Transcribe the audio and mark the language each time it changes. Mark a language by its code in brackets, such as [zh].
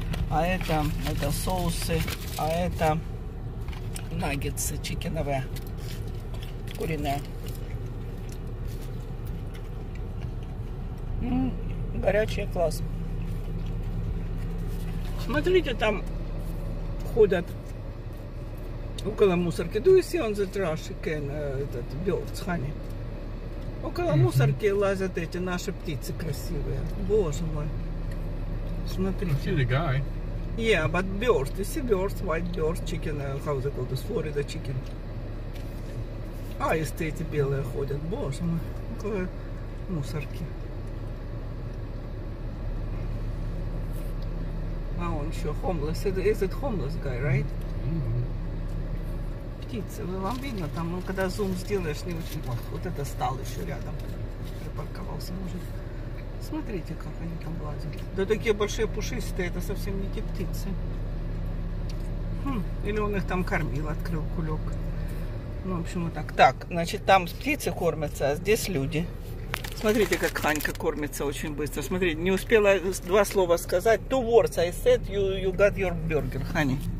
[ru] А это соусы, а это наггетсы чикеновые, куриные. Горячий класс. Смотрите, там ходят около мусорки. [en] Do you see on the trash can, [ru] этот [en] birds, honey? [ru] Около мусорки лазят эти наши птицы красивые. Боже мой. Смотрите. [en] I see the guy. Yeah, but birds, you see birds, white birds, chicken, how they call this, Florida chicken. [ru] А, и эти белые ходят, боже мой, какие мусорки. еще homeless. [en] Is it homeless guy, right? Mm-hmm. [ru] Птица, вам видно там, ну когда зум сделаешь, не очень. Вот, вот это стал еще рядом. Припарковался, может. Смотрите, как они там лазят. Да такие большие пушистые, это совсем не те птицы. Или он их там кормил, открыл кулек. Ну, в общем, вот так. Так, значит, там птицы кормятся, а здесь люди. Смотрите, как Ханька кормится очень быстро. Смотрите, не успела два слова сказать. [en] Two words. I said you got your burger, honey.